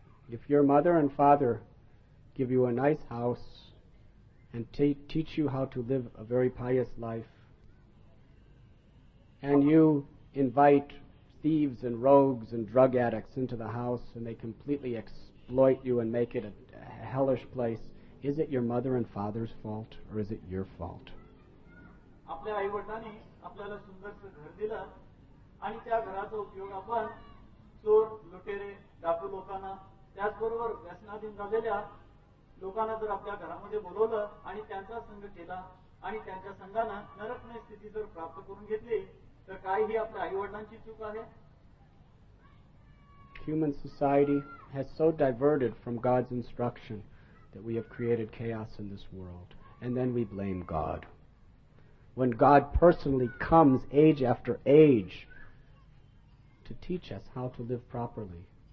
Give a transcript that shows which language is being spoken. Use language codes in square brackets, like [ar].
[en] If your mother and father give you a nice house and teach you how to live a very pious life, and you invite thieves and rogues and drug addicts into the house and they completely exploit you and make it a hellish place, is it your mother and father's fault or is it your fault? [mr] आपल्या आई वडिलांनी आपल्याला सुंदरचं घर दिलं आणि त्या घराचा उपयोग आपण चोर लुटेरे डाकू लोकांना त्याचबरोबर व्यसनाधीन झालेल्या लोकांना जर आपल्या घरामध्ये बोलवलं आणि त्यांचा संघ केला आणि त्यांच्या संघाना नरकमय स्थिती जर प्राप्त करून घेतली तर काय ही आपल्या आई वडिलांची चूक आहे? [en] Human society has so diverted from God's instruction that we have created chaos in this world. And then we blame God. When God personally comes age after age to teach us how to live properly.